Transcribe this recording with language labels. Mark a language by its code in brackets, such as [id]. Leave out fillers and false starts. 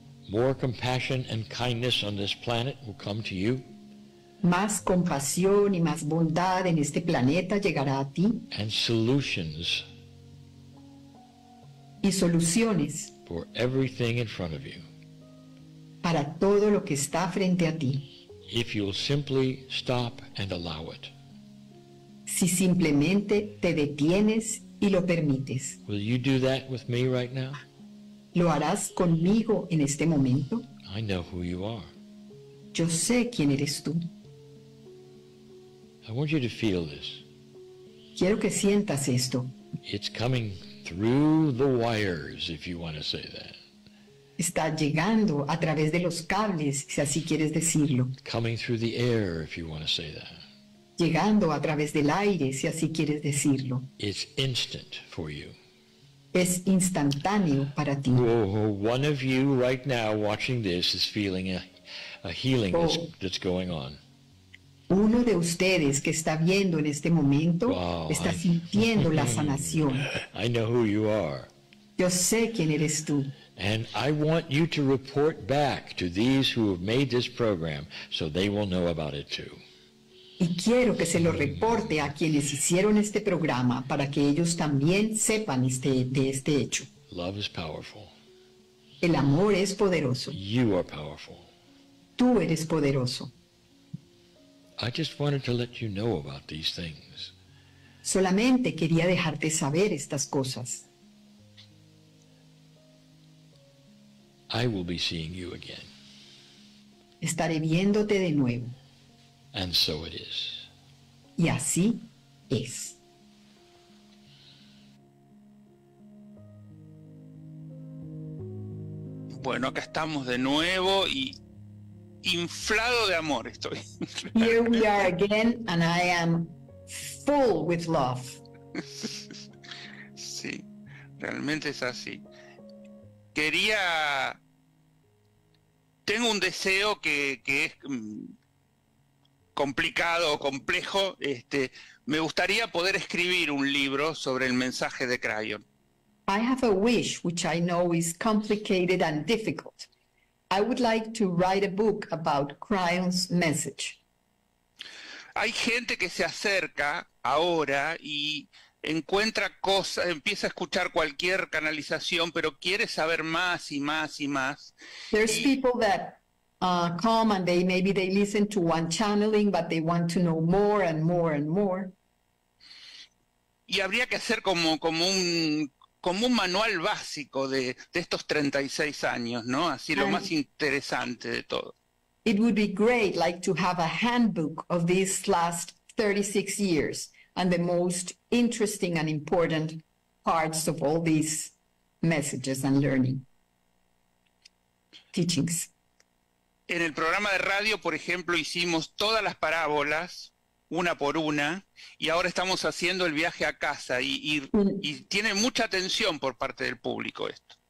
[en] more compassion and kindness on this planet will come to you. [es] Más compasión y más bondad en este planeta llegará a ti. [en] And solutions. [es] Y soluciones. [en] For everything in front of you. [es] Para todo lo que está frente a ti. [en] If you'll simply stop and allow it. [es] Si simplemente te detienes y lo permites. [en] Will you do that with me right now? [es] ¿Lo harás conmigo en este momento? [en] I know who you are. [es] Yo sé quién eres tú. [en] I want you to feel this. [es] Quiero que sientas esto. [en] It's coming through the wires, if you want to say that. [es] Está llegando a través de los cables, si así quieres decirlo. [en] Coming through the air, if you want to say that. [es] Llegando a través del aire, si así quieres decirlo. [en] It's instant for you. [es] Es instantáneo para ti. [en] Oh, one of you right now watching this is feeling a healing that's going on. [es] Uno de ustedes que está viendo en este momento, wow, está sintiendo la sanación. [en] I know who you are. [es] Yo sé quién eres tú. [en] And I want you to report back to these who have made this program so they will know about it too. [es] Y quiero que se lo reporte a quienes hicieron este programa para que ellos también sepan de este hecho. [en] Love is powerful. [es] El amor es poderoso. [en] You are powerful. [es] Tú eres poderoso. [en] I just wanted to let you know about these things. [es] Solamente quería dejarte saber estas cosas. [en] I will be seeing you again. [es] Estaré viéndote de nuevo. [en] And so it is. [es] Y así es. Bueno, acá estamos de nuevo y inflado de amor estoy. [en] Here we are again and I am full with love. [es] Sí, realmente es así. Quería... Tengo un deseo que es... complicado o complejo, me gustaría poder escribir un libro sobre el mensaje de Crayon. [en] I have a wish which I know is complicated and difficult. I would like to write a book about Crayon's message. [es] Hay gente que se acerca ahora y encuentra cosas, empieza a escuchar cualquier canalización, pero quiere saber más y más y más. [en] There's people that come and maybe they listen to one channeling, but they want to know more and more and more. [es] Y habría que hacer como un manual básico de estos 36 años, ¿no? Así lo más interesante de todo. [en] It would be great, like, to have a handbook of these last 36 years and the most interesting and important parts of all these messages and learning teachings. [es] En el programa de radio, por ejemplo, hicimos todas las parábolas una por una, y ahora estamos haciendo el viaje a casa, y tiene mucha atención por parte del público esto.